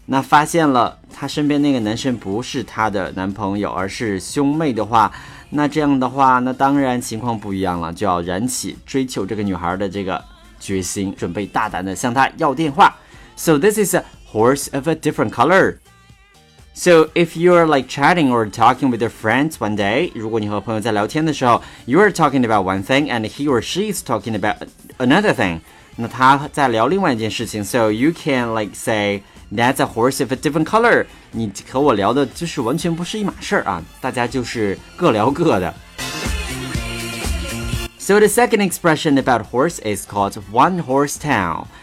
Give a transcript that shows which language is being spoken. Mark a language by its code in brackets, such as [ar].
[zh] 那发现了他身边那个男生不是他的男朋友，而是兄妹的话，那这样的话，那当然情况不一样了，就要燃起追求这个女孩的这个决心，准备大胆的向她要电话。 [en] So this is a horse of a different color. So if you are like chatting or talking with your friends one day, [zh] 如果你和朋友在聊天的时候 [en] you are talking about one thing and he or she is talking about another thing. [zh] 那他在聊另外一件事情 [en] So you can like say, that's a horse of a different color. [zh] 你和我聊的就是完全不是一码事啊，大家就是各聊各的。 [en] So the second expression about horse is called one horse town.